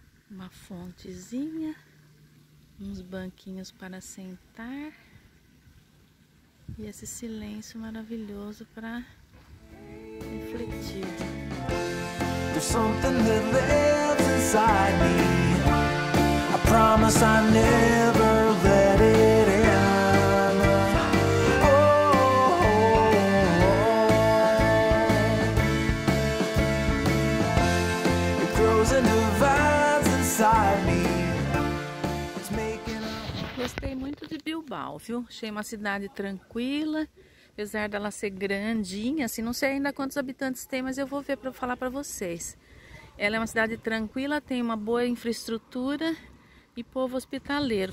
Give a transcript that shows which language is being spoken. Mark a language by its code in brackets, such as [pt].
[pt] Uma fontezinha. Uns banquinhos para sentar. E esse silêncio maravilhoso para... [en] There's something that lives inside me. I promise I never let it in. Oh, oh, oh, oh. It grows and divides inside me. It's making a... [pt] Gostei muito de Bilbao, viu? Achei uma cidade tranquila. Apesar dela ser grandinha, assim, não sei ainda quantos habitantes tem, mas eu vou ver para falar para vocês. Ela é uma cidade tranquila, tem uma boa infraestrutura e povo hospitaleiro.